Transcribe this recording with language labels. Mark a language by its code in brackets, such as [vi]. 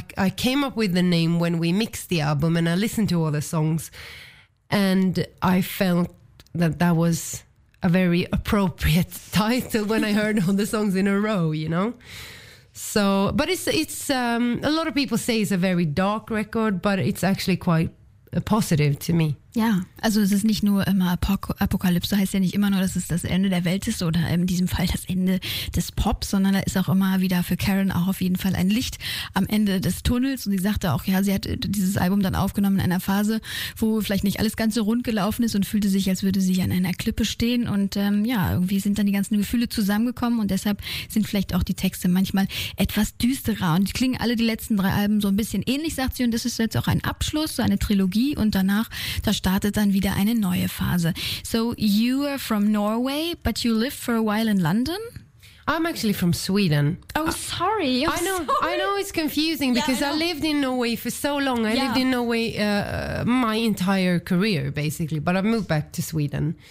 [en] I came up with the name when we mixed the album and I listened to all the songs and I felt that was a very appropriate title when I heard all the songs in a row, you know? So, but it's a lot of people say it's a very dark record, but it's actually quite positive to me. [de] Ja, also es ist nicht nur immer Apokalypse, heißt ja nicht immer nur, dass es das Ende der Welt ist oder in diesem Fall das Ende des Pops, sondern da ist auch immer wieder für Karen auch auf jeden Fall ein Licht am Ende des Tunnels und sie sagte auch, ja, sie hat dieses Album dann aufgenommen in einer Phase, wo vielleicht nicht alles ganz so rund gelaufen ist und fühlte sich, als würde sie an einer Klippe stehen und ja, irgendwie sind dann die ganzen Gefühle zusammengekommen und deshalb sind vielleicht auch die Texte manchmal etwas düsterer und klingen alle die letzten drei Alben so ein bisschen ähnlich, sagt sie, und das ist jetzt auch ein Abschluss, so eine Trilogie und danach, da startet dann wieder eine neue Phase. [en] So you are from Norway, but you lived for a while in London? I'm actually from Sweden. Oh, sorry. I know it's confusing because yeah, I lived in Norway for so long. I lived in Norway my entire career, basically. But I moved back to Sweden.